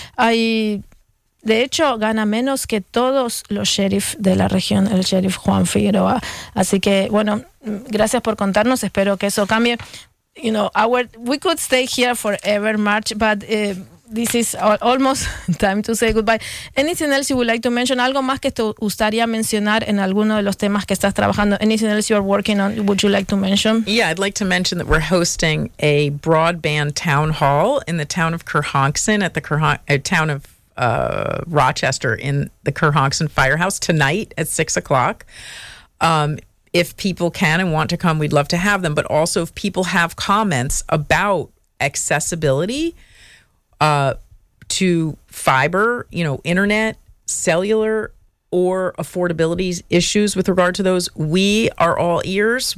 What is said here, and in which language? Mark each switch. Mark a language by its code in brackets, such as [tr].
[es] De hecho, gana menos que todos los sheriffs de la región, el sheriff Juan Figueroa. Así que, bueno, gracias por contarnos, espero que eso cambie. [en] You know, we could stay here forever, March, but this is almost time to say goodbye. Anything else you would like to mention? [es] Algo más que te gustaría mencionar en alguno de los temas que estás trabajando? [en] Anything else you are working on? Would you like to mention? Yeah, I'd like to mention that we're hosting a broadband town hall in the town of Kerhonkson at the town of Rochester in the Kerhonkson Firehouse tonight at 6:00. If people can and want to come, we'd love to have them. But also, if people have comments about accessibility to fiber, you know, internet, cellular, or affordability issues with regard to those, we are all ears.